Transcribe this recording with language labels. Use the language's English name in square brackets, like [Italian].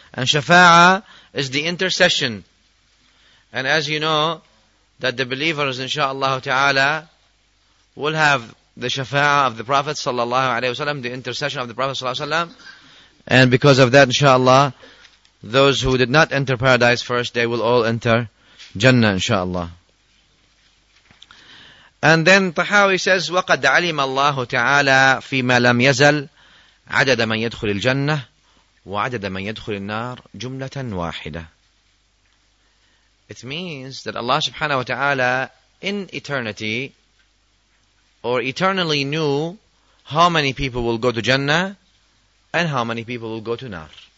[English] And shafa'ah is the intercession. And as you know, that the believers, insha'Allah ta'ala, will have the shafa'ah of the Prophet sallallahu alaihi wasallam, the intercession of the Prophet sallallahu alaihi wasallam. And because of that, insha'Allah, those who did not enter paradise first, they will all enter Jannah, insha'Allah. And then Tahawi says, [Arabic] وَقَدْ عَلِمَ اللَّهُ تَعَالَى فِي مَا لَمْ يَزَلْ عَدَدَ مَنْ يَدْخُلِ الْجَنَّةِ وَعَدَدَ مَنْ يَدْخُلِ النَّارِ جُمْلَةً وَاحِدَةً. [English] It means that Allah subhanahu wa ta'ala in eternity or eternally knew how many people will go to Jannah and how many people will go to Nar.